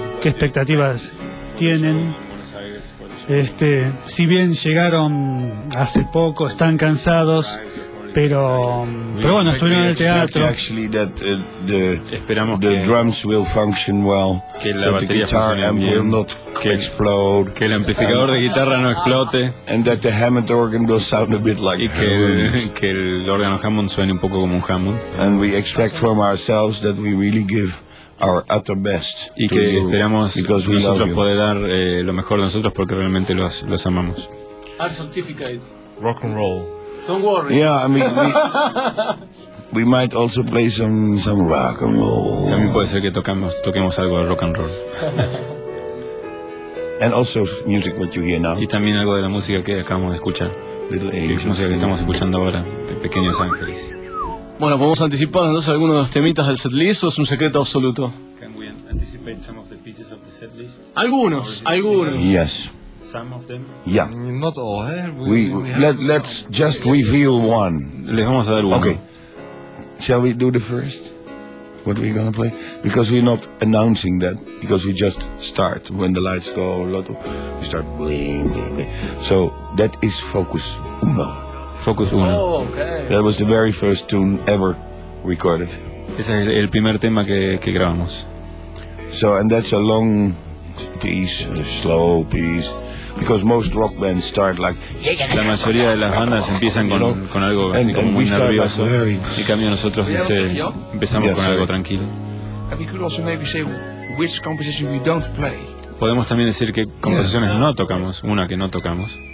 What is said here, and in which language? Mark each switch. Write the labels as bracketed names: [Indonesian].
[Spanish] ¿Qué expectativas tienen? Si bien llegaron hace poco, están cansados, pero bueno, estuvieron en el teatro. Esperamos que [English] the drums will function well, [Spanish] que la batería funcione bien, que el amplificador de guitarra no explote, [English] and that the Hammond organ will sound a bit like [Spanish] que el órgano Hammond suene un poco como un Hammond. [English] And we expect from ourselves that we really give our utter best, [Spanish] y que esperamos nosotros poder dar lo mejor de nosotros porque realmente los amamos. [English] Our certificate. Rock and roll. Don't worry. Yeah, I mean, we might also play some rock and roll. [Spanish] También puede ser que toquemos algo de rock and roll. [English] And also music what you hear now. [Spanish] Y también algo de la música que acabamos de escuchar. [English] Little Angels. [Spanish] La música que estamos escuchando ahora, de Pequeños Ángeles. Bueno, ¿podemos anticipar entonces algunos de los temitas del setlist o es un secreto absoluto? [English] Can we anticipate some of the pieces of the setlist? [Spanish] Algunos. [English] Yes. Some of them. Yeah. Not all, eh? Let's just reveal one. [Spanish] Les vamos a dar uno. [English] Okay. Shall we do the first? What are we going to play? Because we're not announcing that. Because we just start when the lights go. We start bling, bling, bling. So that is Focus Uno. Focus Uno. Oh, okay. That was the very first tune ever recorded. [Spanish] Ese es el primer tema que grabamos. [English] So, and that's a long piece, a slow piece, because most rock bands start like... [Spanish] La mayoría de las bandas empiezan con algo así como muy nervioso. Y cambio nosotros empezamos con algo tranquilo. [English] And we could also maybe say which composition we don't play. [Spanish] Podemos también decir qué composiciones no tocamos, una que no tocamos.